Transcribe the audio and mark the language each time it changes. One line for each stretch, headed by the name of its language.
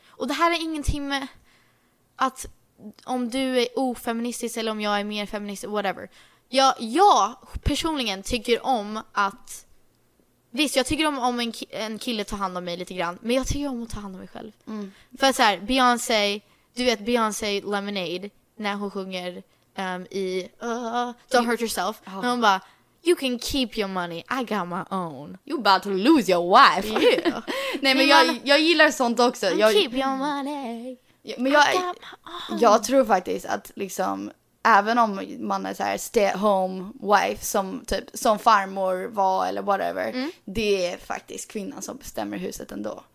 Swedish: Och det här är ingenting med att om du är ofeministisk eller om jag är mer feministisk, whatever. Jag personligen tycker om att... Visst, jag tycker om en kille tar hand om mig lite grann. Men jag tycker om att ta hand om mig själv. För så här, Beyoncé... Du vet, Beyoncé Lemonade. När hon sjunger
English: Don't Hurt Yourself. Oh.
Swedish: Hon bara,
English: you can keep your money, I got my own. You're about to lose your wife. Yeah.
Swedish: Nej, men jag gillar sånt också.
English: Keep your money.
Swedish: Men jag tror faktiskt att liksom, även om man är så här
English: stay at home wife
Swedish: som typ som farmor var eller whatever, det är faktiskt kvinnan som bestämmer huset ändå.